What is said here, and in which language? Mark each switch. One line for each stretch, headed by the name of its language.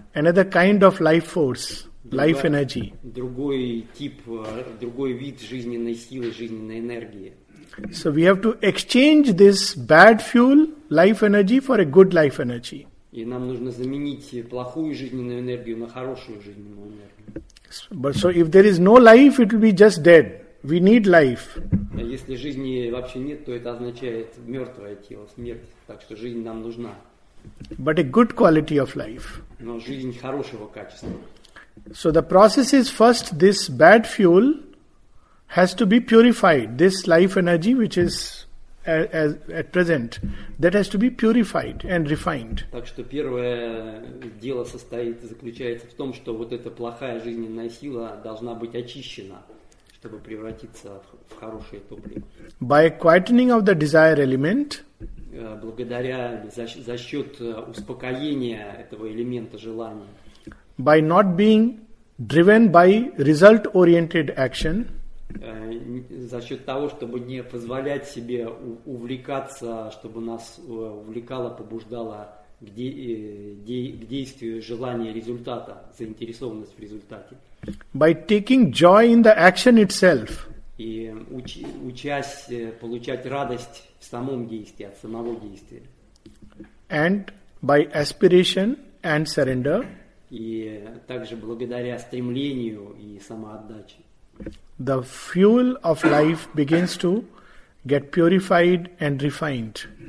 English: Another kind of life force, life energy.
Russian: Другой тип, другой вид жизненной силы, жизненной энергии.
English: So we have to exchange this bad fuel, life energy, for a good life energy.
Russian: И нам нужно заменить плохую жизненную энергию на хорошую жизненную энергию.
English: But so if there is no life, it will be just dead. We need life.
Russian: Если жизни вообще нет, то это означает мертвое тело, смерть. Так что жизнь нам нужна.
English: But a good quality of life.
Russian: Но жизнь хорошего качества.
English: So the process is first this bad fuel has to be purified. This life energy which is at present, that has to be purified and refined.
Russian: Так что первое дело состоит, заключается в том, что вот эта плохая жизненная сила должна быть очищена, чтобы превратиться в хорошее топливо.
English: By quietening of the desire element,
Russian: благодаря, за счет успокоения этого элемента желания,
English: by not being driven by result-oriented action,
Russian: за счет того, чтобы не позволять себе увлекаться, чтобы нас увлекало, побуждало к действию желание результата, заинтересованность в результате.
English: By taking joy in the action itself.
Russian: И учась получать радость в самом действии, от самого действия.
English: And by aspiration and surrender.
Russian: И также благодаря стремлению и самоотдаче.
English: The fuel of life begins to get purified and refined.